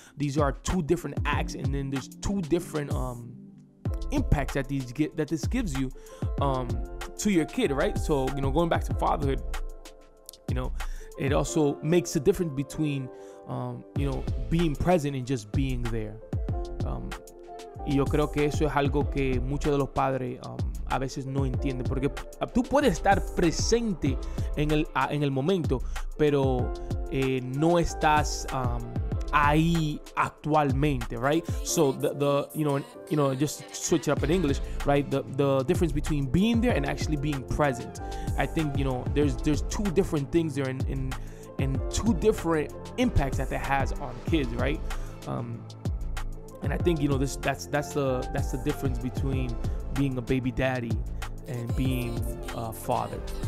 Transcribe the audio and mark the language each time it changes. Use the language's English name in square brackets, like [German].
[English] These are two different acts, and then there's two different impacts that these get, that this gives you to your kid, right? So, you know, going back to fatherhood, you know, it also makes a difference between you know, being present and just being there. [Spanish] Y yo creo que eso es algo que muchos de los padres a veces no entienden, porque tú puedes estar presente en el momento, pero no estás ahí actualmente, right? [English] So the just switch it up in English, right? The difference between being there and actually being present. I think, you know, there's two different things there and two different impacts that it has on kids, right? And I think, you know, that's the difference between being a baby daddy and being a father.